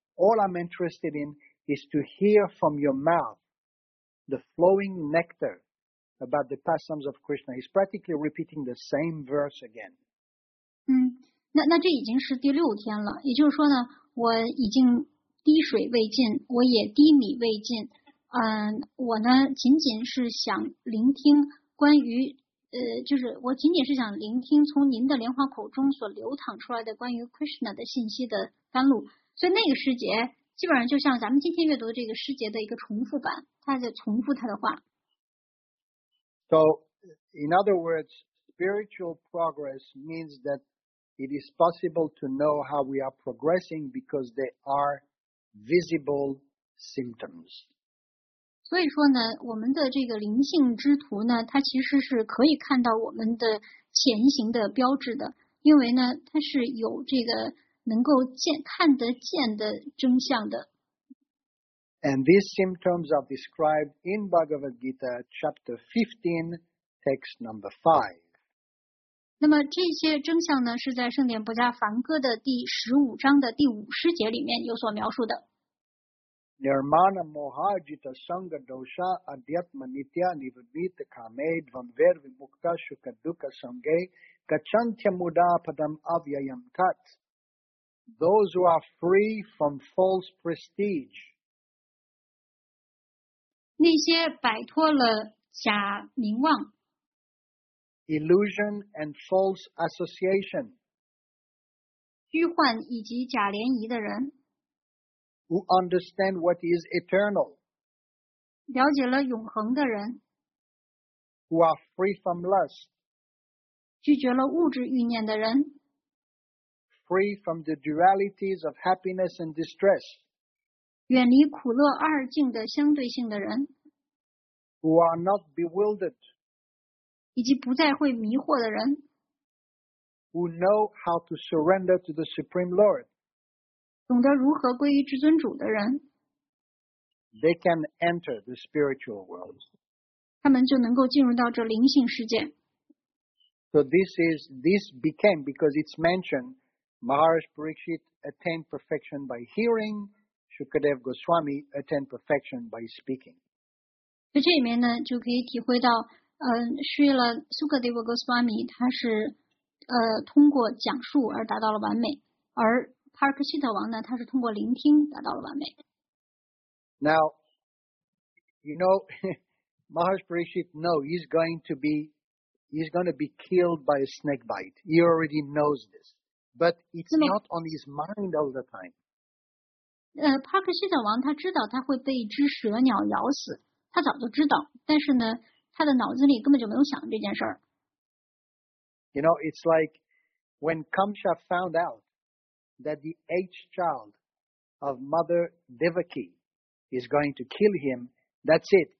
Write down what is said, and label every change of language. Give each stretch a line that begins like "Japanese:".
English: All I'm interested in is to hear from your mouth the flowing nectar about the pastimes of Krishna. He's practically repeating the same verse again.
Chinese: 那这已经是第六天了，也就是说呢，我已经滴水未进，我也滴米未进，我呢仅仅是想聆听关于就是我仅仅是想聆听从您的莲花口中所流淌出来的关于 Krishna 的信息的甘露。所以那个诗节基本上就像咱们今天阅读这个诗节的一个重复版，他在重复他的话。
English: So, in other words, spiritual progress means that it is possible to know how we are progressing because there are visible symptoms.
Chinese: 所以说呢，我们的这个灵性之途呢，它其实是可以看到我们的前行的标志的，因为呢，它是有这个能够看得见的征象的。
English: And these symptoms are described in Bhagavad Gita, chapter 15, text number 5.
Chinese: 那么这些征象呢，是在圣典薄伽梵歌的第十五章的第五十节里面有所描述的。
Sanskrit: Nirmana Mohajita Sangha Dosha Adhyatma Nitya Nivadita Kamed Vamver Vimukta Shukaduka Sange Kachantya Mudapadam Avyayam Tat.
English: Those who are free from false prestige.
Chinese: 那些摆脱了假名望。
English: Illusion and false association.
Chinese: 虚幻以及假联谊的人。
English: Who understand what is eternal.
Chinese: 了解了永恒的人。
English: Who are free from lust.
Chinese: 拒绝了物质欲念的人。
English: Free from the dualities of happiness and distress.
Chinese: 远离苦乐二境的相对性的人。
English: Who are not bewildered.
Chinese: 以及不再会迷惑的人。
English: Who know how to surrender to the Supreme Lord.
Chinese: 懂得如何归于至尊主的人，
English: They can enter the spiritual world.
Chinese: 他们就能够进入到这灵性世界。
English: So this became, because it's mentioned, Maharishi Parikshit attained perfection by hearing, Shukadev Goswami attained perfection by speaking.
Chinese: 在这里面呢，就可以体会到，是为了 Sukadev Goswami, 他是通过讲述而达到了完美，而Parikshit 王呢，他是通过聆听达到了完美。
English: Now, you know, Maharishi Parikshit knows he's going to be killed by a snake bite. He already knows this, but it's not on his mind all the time.
Chinese: Parikshit 王他知道他会被一只蛇鸟咬死，他早就知道，但是呢，他的脑子里根本就没有想这件事儿。
English: You know, it's like when Kamsa found out that the eighth child of Mother Devaki is going to kill him, that's it.